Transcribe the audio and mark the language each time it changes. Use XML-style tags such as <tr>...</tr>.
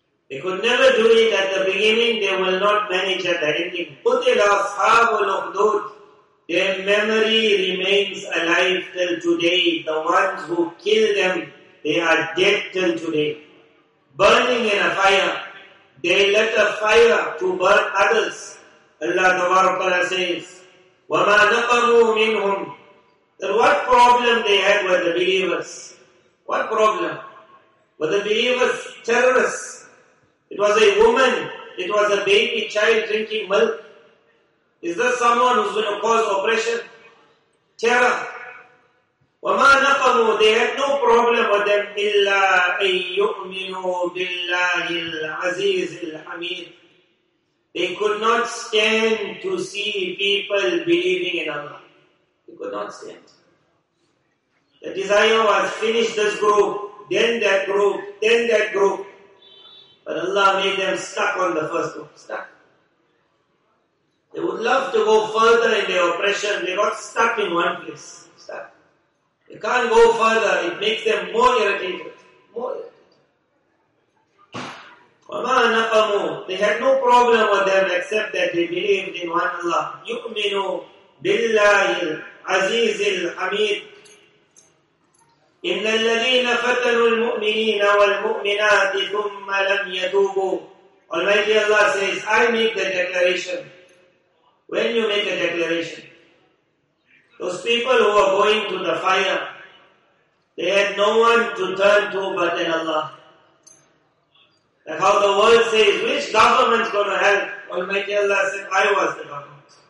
<en>They could never do it at the beginning, they will not manage at the ending.</en> <ar>Kutila ashabul ukhdud.</ar> <en>Their memory remains alive till today. The ones who kill them, they are dead till today. Burning in a fire. They let a fire to burn others. Allah Ta'ala says,</en> <ar>وَمَا نَقَمُوا مِنْهُمْ.</ar> <en>Then what problem they had with the believers? What problem? Were the believers terrorists? It was a woman. It was a baby child drinking milk. Is there someone who's going to cause oppression? Terror.</en> <ar>وَمَا نَقَمُوا</ar> <en>They had no problem with them</en> <ar>إِلَّا أَن يُؤْمِنُوا بِاللَّهِ الْعَزِيزِ الْحَمِيدِ</ar> <en>They could not stand to see people believing in Allah. They could not stand. The desire was finish this group, then that group, then that group. But Allah made them stuck on the first group, stuck. They would love to go further in their oppression. They got stuck in one place. Stuck. They can't go further. It makes them more irritated. More irritated.</en> <ar>وَمَا نَقَمُوا</ar> <en>They had no problem with them except that they believed in one Allah.</en> <ar>يُؤْمِنُوا بِاللَّهِ الْعَزِيزِ الْحَمِيدِ إِنَّ الَّذِينَ فَتَنُوا الْمُؤْمِنِينَ وَالْمُؤْمِنَاتِ ثُمَّ لَمْ يَتُوبُوا</ar> <en>Almighty Allah says, I make the declaration. When you make a declaration, those people who are going to the fire, they had no one to turn to but in Allah. That's how the world says, which government's going to help? Almighty Allah said, I was the government.</en>